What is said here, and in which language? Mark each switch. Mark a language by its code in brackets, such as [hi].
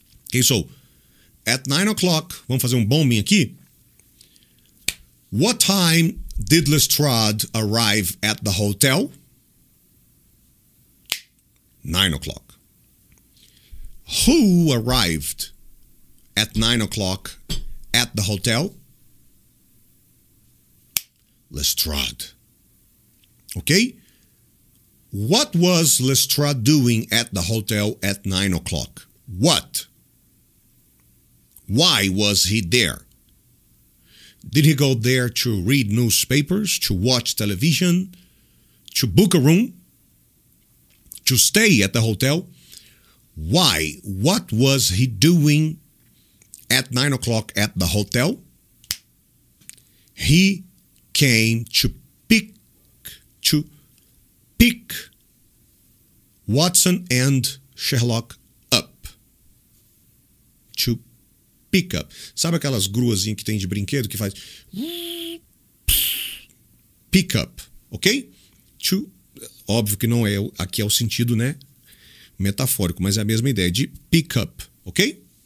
[en] Okay, so at 9 o'clock, [pt] vamos fazer bombinho aqui. [en] What time did Lestrade arrive at the hotel? 9 o'clock. Who arrived at 9 o'clock at the hotel? Lestrade. Okay? What was Lestrade doing at the hotel at 9 o'clock? What? Why was he there? Did he go there to read newspapers, to watch television, to book a room, to stay at the hotel? Why? What was he doing at 9 o'clock at the hotel? He came to pick Watson and Sherlock up. To pick up. [pt] Sabe aquelas gruazinhas que tem de brinquedo que faz... Pick up, ok? To, óbvio que não é, aqui é o sentido, né? Metafórico, mas é a mesma ideia de pick up, ok?